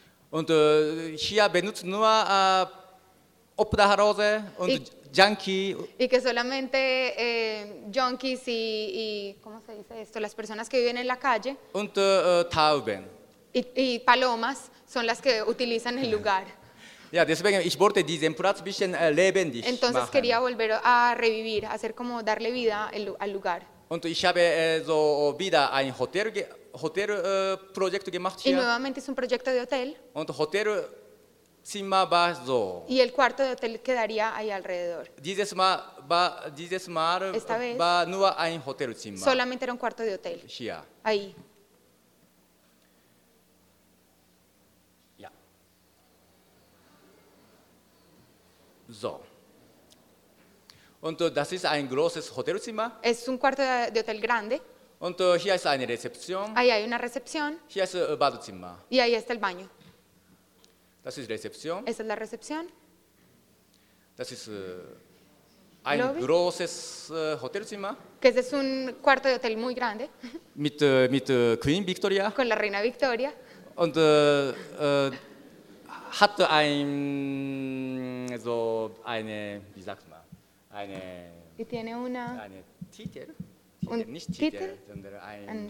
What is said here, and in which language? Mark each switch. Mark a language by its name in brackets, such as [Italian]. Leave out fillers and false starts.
[German] Und hier benutzt nur Obdachlose und Junkie. [Spanish] Y que solamente junkies y ¿cómo se dice esto? Las personas que viven en la calle. [German] Und Tauben. [Spanish] Y palomas son las que utilizan el lugar. [German] Ja, deswegen ich wollte diesen Platz bisschen lebendig [Spanish] Entonces [German] machen. [Spanish] Quería volver a revivir, hacer como darle vida al lugar. [German] Und ich habe so wieder ein Hotel Projekt gemacht hier. [Spanish] Y nuevamente es un proyecto de hotel. [German] Und Hotel Zimmer war so. [Spanish] Y el cuarto de hotel quedaría ahí alrededor. [German] Dieses Mal [Spanish] Esta vez, [German] war nur ein Hotelzimmer. [Spanish] Solamente era un cuarto de hotel. [German] Hier. [Spanish] Ahí. [German] Ja. So. Und das ist ein großes Hotelzimmer. [Spanish] Es un cuarto de hotel grande. [German] Und hier ist eine Rezeption. [Spanish] Ahí hay una recepción. [German] Hier ist Badezimmer. [Spanish] Y ahí está el baño. [German] Das ist Rezeption. [Spanish] Esa es la recepción. [German] Das ist ein Lobby. Großes Hotelzimmer. [Spanish] Que es un cuarto de hotel muy grande. [German] Mit Queen Victoria. [Spanish] Con la reina Victoria. [German] Und hat ein so eine, wie sagt man, eine. [Spanish] Y tiene una. [German] Eine Titel. Nicht Titel, sondern ein